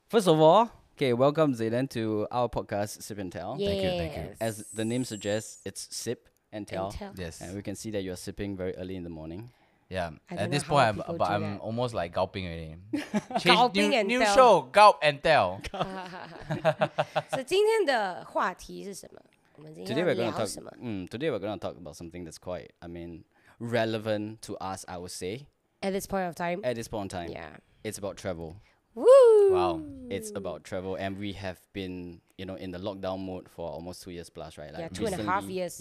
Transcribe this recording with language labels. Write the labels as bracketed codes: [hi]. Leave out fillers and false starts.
[en] First of all. Okay, welcome Zayden to our podcast Sip and Tell. Yes. Thank you. As the name suggests, it's Sip and Tell. Yes. And we can see that you're sipping very early in the morning. Yeah. At this point, I'm almost like gulping already. Change, gulping new, and tell. New show, Gulp and Tell. [zh] So, 今天的话题是什么？我们今天要聊什么？ [en] Today we're going to talk about something that's quite, I mean, relevant to us, I would say. At this point of time? At this point of time. Yeah. It's about travel. Woo! Wow. It's about travel. And we have been, you know, in the lockdown mode for almost 2 years plus, right? Like, yeah, two recently, and a half years.